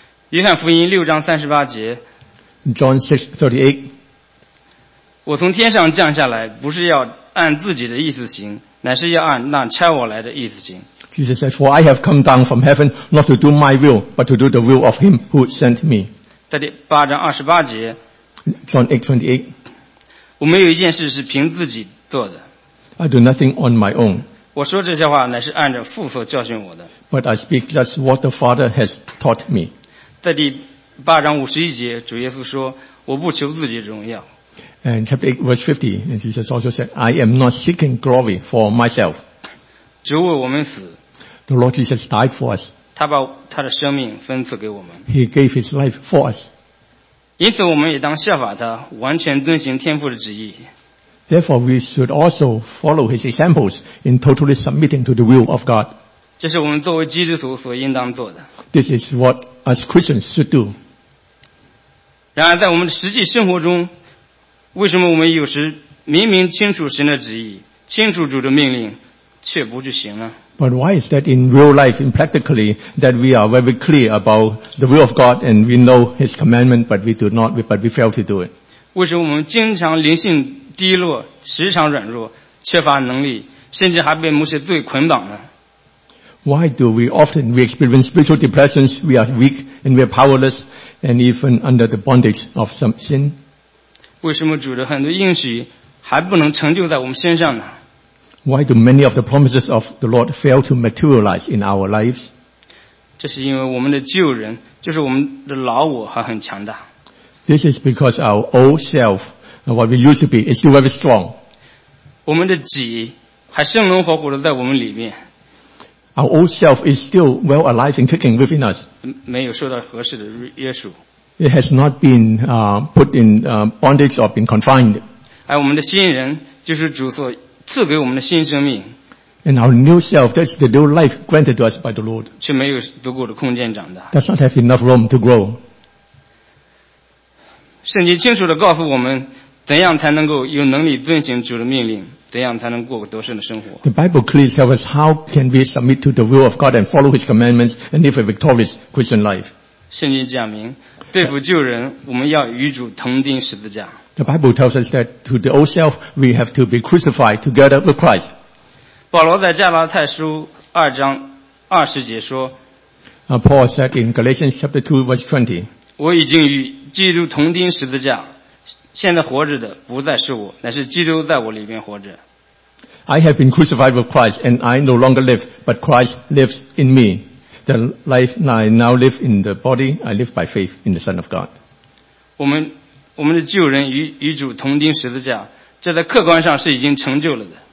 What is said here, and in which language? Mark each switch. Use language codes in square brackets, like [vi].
[zh] 约翰福音六章三十八节。 [en] John 6:38. [zh] 我从天上降下来，不是要按自己的意思行，乃是要按那差我来的意思行。 [en] Jesus said, For I have come down from heaven not to do my will, but to do the will of him who sent me. [zh] 在第八章二十八节。 [en] John 8:28. [zh] 我没有一件事是凭自己做的。 [en] I do nothing on my own. [zh] 我说这些话乃是按着父所教训我的。 [en] But I speak just what the Father has taught me. [zh] 在第八章五十一节，主耶稣说，我不求自己荣耀。 [en] And chapter 8 verse 50, and Jesus also said, I am not seeking glory for myself. [zh] 主为我们死。 [en] The Lord Jesus died for us. [zh] 他把他的生命分赐给我们。 [en] He gave his life for us. [zh] 因此我们也当效法他，完全遵行天父的旨意。 [en] Therefore, we should also follow his examples in totally submitting to the will of God. [zh] 这是我们作为基督徒所应当做的。 [en] This is what us Christians should do. [zh] 然而在我们的实际生活中，为什么我们有时明明清楚神的旨意，清楚主的命令，却不去行呢？ [en] But why is that in real life, in practically, that we are very clear about the will of God and we know His commandment, but we do not, but we fail to do it? [zh] 为什么我们经常灵性低落，时常软弱，缺乏能力，甚至还被某些罪捆绑呢？ [en] Why do we often we experience spiritual depressions? We are weak and we are powerless, and even under the bondage of some sin? [zh] 为什么主的很多应许还不能成就在我们身上呢？ [en] Why do many of the promises of the Lord fail to materialize in our lives? [zh] 这是因为我们的旧人，就是我们的老我还很强大。 [en] This is because our old self, what we used to be, is still very strong. [zh] 我们的己还生龙活虎的在我们里面。 [en] Our old self is still well alive and kicking within us. [zh] 没有受到合适的约束。 [en] It has not been put in bondage or been confined. [zh] 而我们的新人就是主所赐给我们的新生命。 [en] And our new self, that's the new life granted to us by the Lord. [zh] 却没有足够的空间长大。 [en] Does not have enough room to grow. [zh] 圣经清楚地告诉我们，怎样才能够有能力遵行主的命令，怎样才能过得胜的生活。 [en] The Bible clearly tells us how can we submit to the will of God and follow His commandments and live a victorious Christian life. [zh] 圣经讲明，对付旧人，我们要与主同钉十字架。 [en] The Bible tells us that to the old self, we have to be crucified together with Christ. [zh] 保罗在加拉太书二章二十节说 [en] ，Paul said in Galatians chapter 2 verse 20, [zh] 我已经与基督同钉十字架，现在活着的不再是我，乃是基督在我里面活着。 [en] I have been crucified with Christ, and I no longer live, but Christ lives in me. The life I now live in the body, I live by faith in the Son of God. [zh] 我们的旧人与主同钉十字架，这在客观上是已经成就了的。